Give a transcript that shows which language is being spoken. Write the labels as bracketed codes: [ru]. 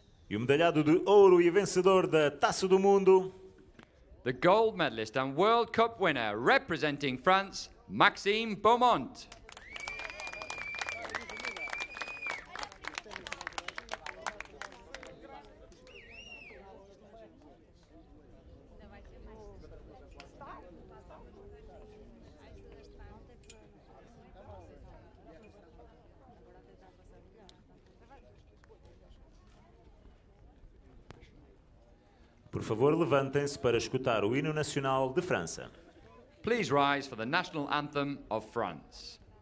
[pt] E o medalhado de ouro e vencedor da Taça do Mundo. [en] The gold medalist and World Cup winner representing France, Maxime Beaumont. [pt] Por favor, levantem-se para escutar o hino nacional de França. [en] Please rise for the national anthem of France.